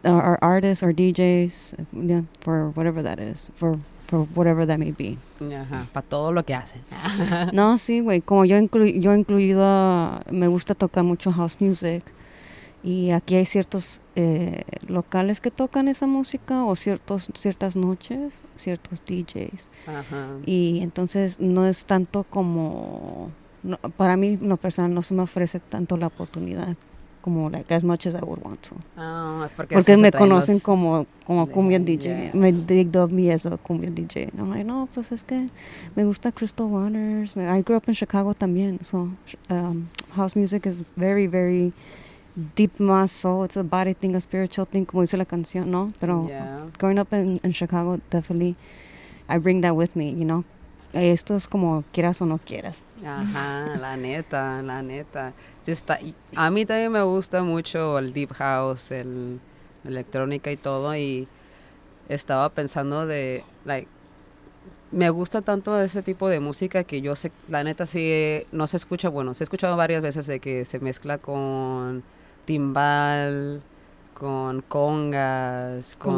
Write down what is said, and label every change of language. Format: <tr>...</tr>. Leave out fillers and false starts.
<en>Or artists or DJs, yeah, for whatever that is, for whatever that may be.</en> <es>Ajá, para todo lo que hacen. No, sí, güey, como yo incluido, me gusta tocar mucho house music. Y aquí hay ciertos locales que tocan esa música, o ciertas noches, ciertos DJs. Ajá. Y entonces no es tanto como, no, para mí, lo personal, no se me ofrece tanto la oportunidad como,</es> <en>like, as much as I would want to. Ah, oh,</en> <es>porque me conocen como cumbia DJ.</es> <en>Yeah. Me dig up me as a cumbia DJ. And I'm like,</en> <es>no, pues es que me gusta</es> <en>Crystal Waters. I grew up in Chicago también, so house music is very, very deep in my soul. It's a body thing, a spiritual thing,</en> <es>como dice la canción, ¿no? Pero</es> <en>yeah. Growing up in Chicago, definitely, I bring that with me, you know?</en> <es>Esto es como quieras o no quieras. Ajá, la neta. Está, a mí también me gusta mucho el deep house, el electrónica y todo, y estaba pensando de,</es> <en>like,</en> <es>me gusta tanto ese tipo de música que yo sé, la neta, sí, no se escucha, bueno, se ha escuchado varias veces de que se mezcla con timbal, con congas,</es>